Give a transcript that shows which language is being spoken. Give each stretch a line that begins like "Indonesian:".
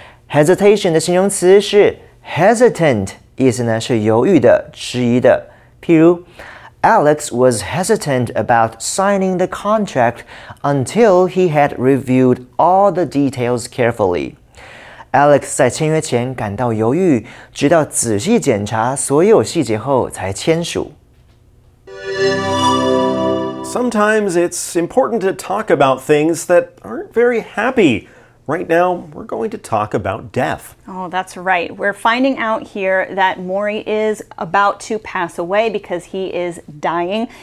Chinese: Hesitation 的形容词是 hesitant, 意思呢是犹豫的、迟疑的。譬如
English: Alex was hesitant about signing the contract until he had reviewed all the details carefully.
Chinese: Alex 在签约前感到犹豫，直到仔细检查所有细节后才签署。
English: Sometimes it's important to talk about things that aren't very happy. Right now, we're going to talk about death. Oh, that's right. We're finding out here that Maury is about to pass away because he is dying.